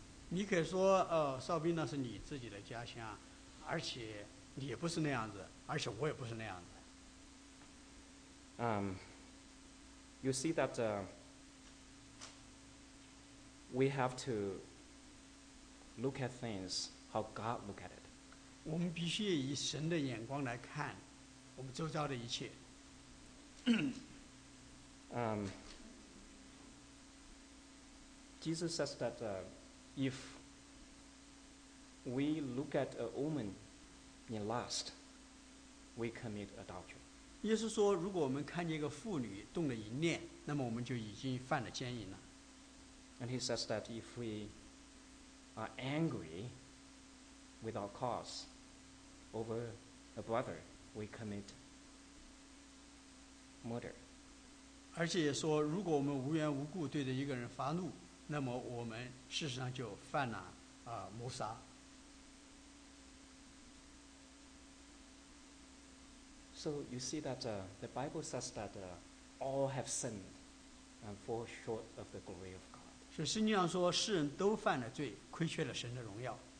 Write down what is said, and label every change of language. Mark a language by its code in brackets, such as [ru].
[zh] 你可以说，邵斌那是你自己的家乡，而且你也不是那样子，而且我也不是那样子。 [en] You see that we have to look at things how God look at it. [zh] 我们必须以神的眼光来看我们周遭的一切。 [en] Jesus says that if we look at a woman in lust, we commit adultery. [zh] 耶稣说，如果我们看见一个妇女动了淫念，那么我们就已经犯了奸淫了。 [en] And he says that if we are angry without cause over a brother, we commit murder. [zh] 而且说，如果我们无缘无故对着一个人发怒，那么我们事实上就犯了谋杀。 [en] So you see that the Bible says that all have sinned and fall short of the glory of God. [zh] 所以圣经上说，世人都犯了罪，亏缺了神的荣耀。